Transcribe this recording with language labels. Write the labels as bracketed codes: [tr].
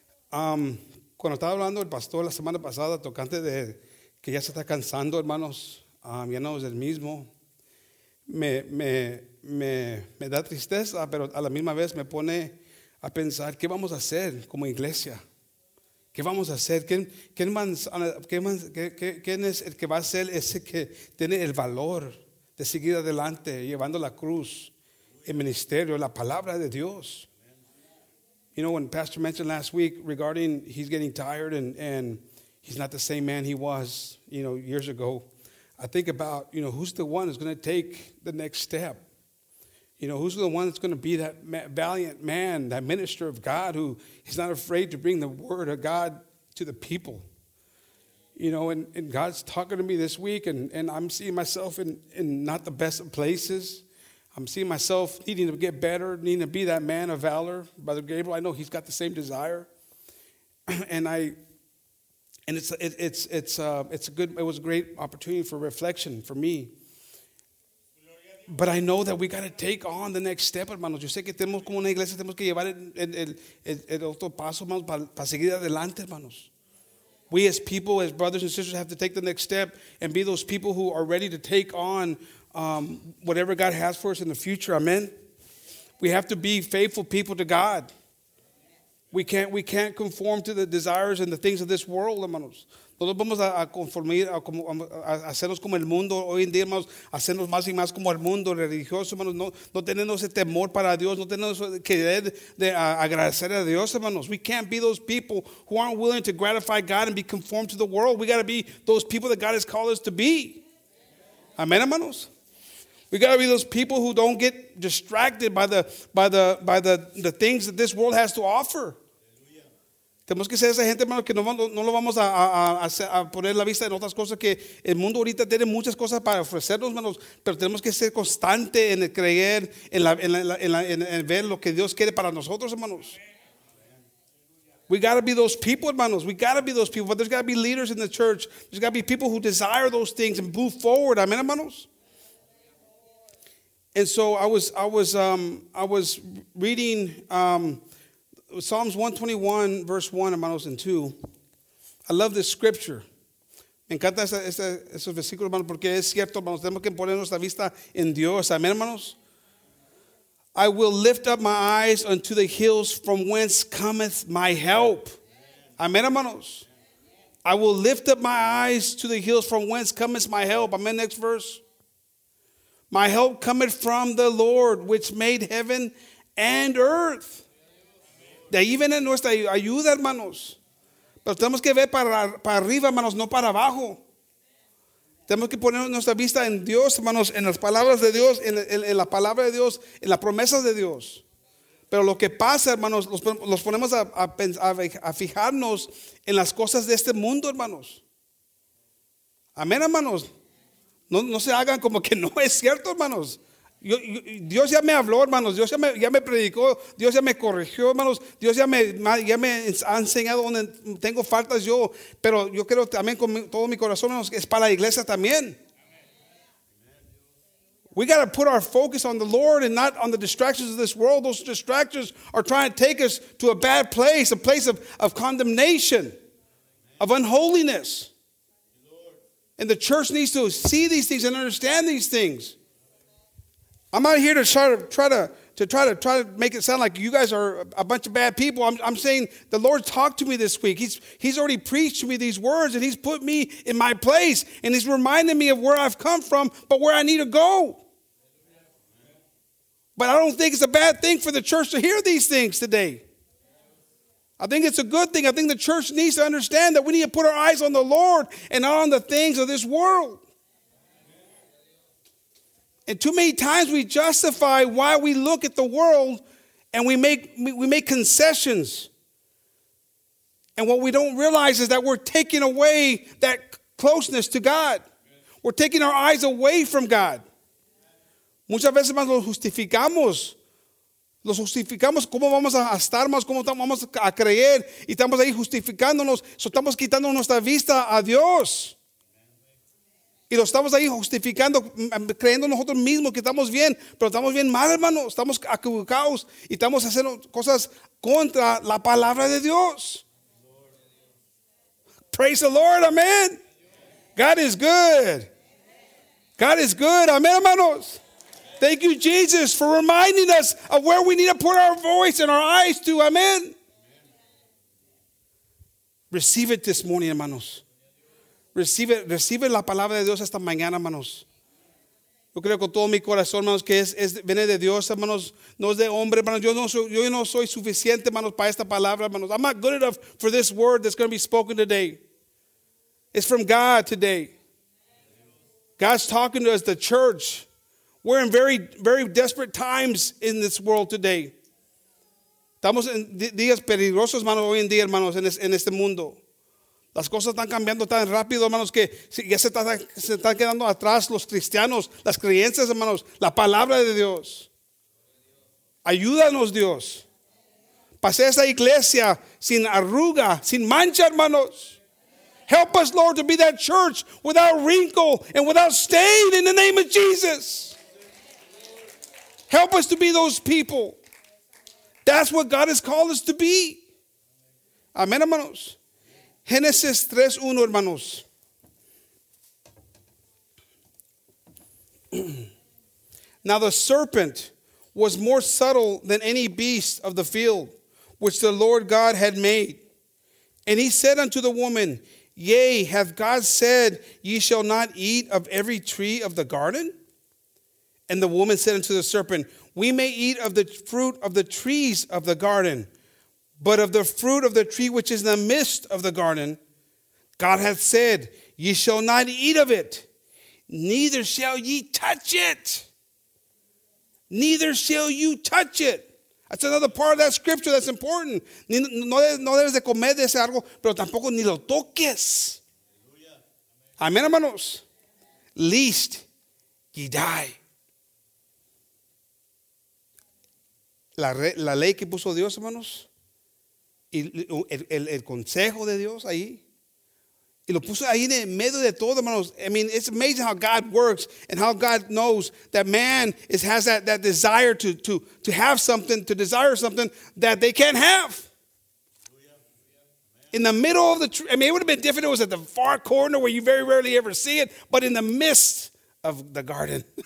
[es] Cuando estaba hablando el pastor la semana pasada, tocante de que ya se está cansando, hermanos, ya no es el mismo, me da tristeza, pero a la misma vez me pone a pensar, ¿qué vamos a hacer como iglesia? ¿Qué vamos a hacer? ¿Quién es el que va a ser ese que tiene el valor de seguir adelante, llevando la cruz, el ministerio, la palabra de Dios? [en] You know, when Pastor mentioned last week regarding he's getting tired and he's not the same man he was, you know, years ago, I think about, you know, who's the one that's going to take the next step? You know, who's the one that's going to be that valiant man, that minister of God who is not afraid to bring the word of God to the people? You know, and God's talking to me this week, and I'm seeing myself in not the best of places. I'm seeing myself needing to get better, needing to be that man of valor. Brother Gabriel, I know he's got the same desire. It was a great opportunity for reflection for me. But I know that we got to take on the next step, hermanos. [es] Yo sé que tenemos como una iglesia, tenemos que llevar el otro paso, hermanos, para seguir adelante, hermanos. [en] We as people, as brothers and sisters, have to take the next step and be those people who are ready to take on whatever God has for us in the future. Amen. We have to be faithful people to God. We can't conform to the desires and the things of this world, hermanos. [es] Todos vamos a conformar, a hacernos como el mundo hoy en día, hermanos, hacernos más y más como el mundo religioso, hermanos, no teniendo ese temor para Dios, no teniendo ese querer de agradecer a Dios, hermanos. [en] We can't be those people who aren't willing to gratify God and be conformed to the world. We got to be those people that God has called us to be. Amen, hermanos. We got to be those people who don't get distracted by the things that this world has to offer. [es] Tenemos que ser esa gente, hermano, que no lo vamos a poner la vista en otras cosas, que el mundo ahorita tiene muchas cosas para ofrecernos, hermanos, pero tenemos que ser constante en el creer, en ver lo que Dios quiere para nosotros, hermanos. [en] We got to be those people, hermanos. We got to be those people. But there's got to be leaders in the church. There's got to be people who desire those things and move forward. Amen, hermanos. And so I was reading Psalms 121, verse 1, hermanos, and 2. I love this scripture. [es] Me encanta esos versículos, hermanos, porque es cierto, hermanos. Tenemos que poner nuestra vista en Dios. Amén, hermanos. [en] I will lift up my eyes unto the hills from whence cometh my help. [es] Amén, hermanos. [en] I will lift up my eyes to the hills from whence cometh my help. Amén, next verse. My help cometh from the Lord, which made heaven and earth. [es] De ahí viene nuestra ayuda, hermanos. Pero tenemos que ver para arriba, hermanos, no para abajo. Tenemos que poner nuestra vista en Dios, hermanos, en las palabras de Dios, en la palabra de Dios, en las promesas de Dios. Pero lo que pasa, hermanos, los ponemos a fijarnos en las cosas de este mundo, hermanos. Amén, hermanos. No se hagan como que no es cierto, hermanos. Dios ya me habló, hermanos. Dios ya me predicó. Dios ya me corrigió, hermanos. Dios ya me ha enseñado donde tengo faltas yo. Pero yo creo también con todo mi corazón, hermanos, que es para la iglesia también. [en] We got to put our focus on the Lord and not on the distractions of this world. Those distractions are trying to take us to a bad place, a place of condemnation, of unholiness. And the church needs to see these things and understand these things. I'm not here to try to make it sound like you guys are a bunch of bad people. I'm saying the Lord talked to me this week. He's already preached to me these words, and he's put me in my place, and he's reminded me of where I've come from, but where I need to go. But I don't think it's a bad thing for the church to hear these things today. I think it's a good thing. I think the church needs to understand that we need to put our eyes on the Lord and not on the things of this world. And too many times we justify why we look at the world and we make concessions. And what we don't realize is that we're taking away that closeness to God. We're taking our eyes away from God. [es] Muchas veces, hermanos, lo justificamos, cómo vamos a estar más, cómo vamos a creer, y estamos ahí justificándonos, estamos quitando nuestra vista a Dios. Y lo estamos ahí justificando, creyendo nosotros mismos que estamos bien, pero estamos bien mal, hermanos, estamos equivocados y estamos haciendo cosas contra la palabra de Dios. [en] Praise the Lord, amen. God is good. God is good, amen, hermanos. Thank you, Jesus, for reminding us of where we need to put our voice and our eyes to. Amen. Amen. Receive it this morning, hermanos. [es] Recibe la palabra de Dios esta mañana, hermanos. Yo creo con todo mi corazón, hermanos, que viene de Dios, hermanos. No es de hombre, hermanos. Yo no soy suficiente, hermanos, para esta palabra, hermanos. [en] I'm not good enough for this word that's going to be spoken today. It's from God today. God's talking to us, the church. We're in very, very desperate times in this world today. [es] Estamos en días peligrosos, hermanos, hoy en día, hermanos, en este mundo. Las cosas están cambiando tan rápido, hermanos, que ya se están quedando atrás los cristianos, las creencias, hermanos, la palabra de Dios. Ayúdanos, Dios. Pase esa iglesia sin arruga, sin mancha, hermanos. [en] Help us, Lord, to be that church without wrinkle and without stain in the name of Jesus. Help us to be those people. That's what God has called us to be. Amen, hermanos. [es] Génesis 3:1, hermanos. [en] Now the serpent was more subtle than any beast of the field which the Lord God had made. And he said unto the woman, yea, hath God said, ye shall not eat of every tree of the garden? And the woman said unto the serpent, we may eat of the fruit of the trees of the garden, but of the fruit of the tree which is in the midst of the garden, God hath said, ye shall not eat of it, neither shall ye touch it. Neither shall you touch it. That's another part of that scripture that's important. [es] No debes de comer de ese árbol, pero tampoco ni lo toques. Amén, hermanos. [en] Lest ye die. [es] La ley que puso Dios, hermanos, y el consejo de Dios ahí, y lo puso ahí en el medio de todo, hermanos. [en] I mean, it's amazing how God works and how God knows that man has that desire to have something, to desire something that they can't have. In the middle of the tree, I mean, it would have been different if it was at the far corner where you very rarely ever see it, but in the midst of the garden.